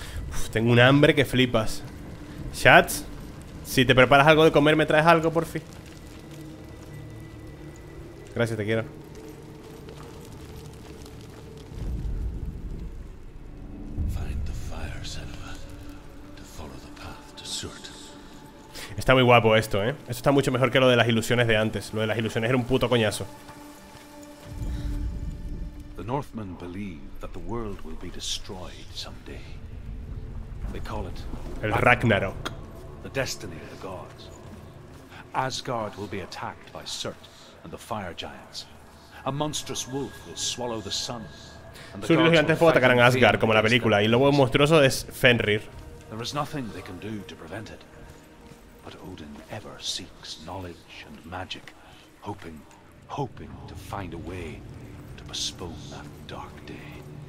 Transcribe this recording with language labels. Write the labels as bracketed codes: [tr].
[es] Uf, tengo un hambre que flipas. Shats, si te preparas algo de comer, me traes algo, por fin. Gracias, te quiero. [en] Find the fire, Senua, to follow the path to Surt. [es] Está muy guapo esto, ¿eh? Esto está mucho mejor que lo de las ilusiones de antes. Lo de las ilusiones era un puto coñazo. [en] The Northmen believe that the world will be destroyed someday. They call it [es] el Ragnarok. [en] The destiny of the gods. Asgard will be attacked by Surt. And the fire giants. A monstrous wolf will swallow the sun. [es] Sur y los gigantes de fuego atacarán a Asgard, como la película, y el lobo monstruoso es Fenrir. [en] There is nothing they can do to prevent it. But Odin ever seeks knowledge and magic, hoping to find a way to postpone that dark day.